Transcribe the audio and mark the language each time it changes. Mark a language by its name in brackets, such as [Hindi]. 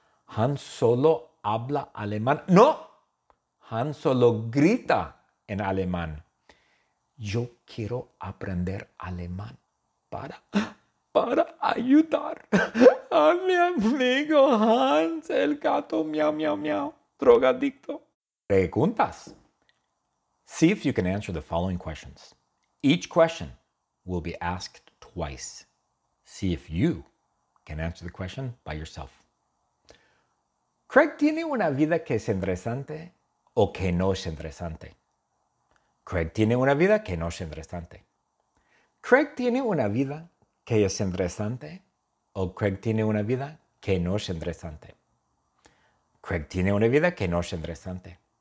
[Spanish] Hans solo habla alemán. ¡No! Hans solo grita en alemán. Yo quiero aprender alemán para ayudar a mi amigo Hans, el gato, miau, miau, miau, drogadicto. Preguntas. [English] See if you can answer the following questions. Each question will be asked twice. See if you can answer the question by yourself. [Spanish] ¿Craig tiene una vida que es interesante o que no es interesante? ¿Craig tiene una vida que no es interesante? ¿Craig tiene una vida que es interesante o Craig tiene una vida que no es interesante? Craig tiene una vida que no es interesante.